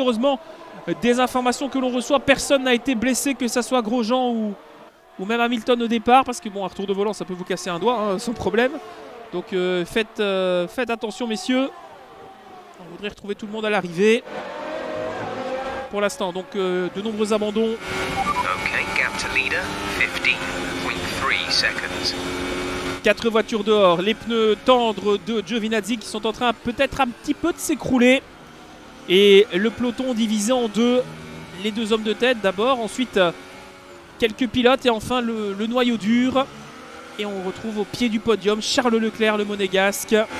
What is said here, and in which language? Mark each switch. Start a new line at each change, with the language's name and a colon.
French: Heureusement, des informations que l'on reçoit, personne n'a été blessé, que ce soit Grosjean ou même Hamilton au départ. Parce que, bon, un retour de volant, ça peut vous casser un doigt, hein, sans problème. Donc, faites attention, messieurs. On voudrait retrouver tout le monde à l'arrivée. Pour l'instant, donc, de nombreux abandons.
English: Ok, gap to leader, 15.3 seconds.
French: Quatre voitures dehors, les pneus tendres de Giovinazzi qui sont en train peut-être un petit peu de s'écrouler. Et le peloton divisé en deux, les deux hommes de tête d'abord, ensuite quelques pilotes et enfin le noyau dur. Et on retrouve au pied du podium Charles Leclerc, le monégasque.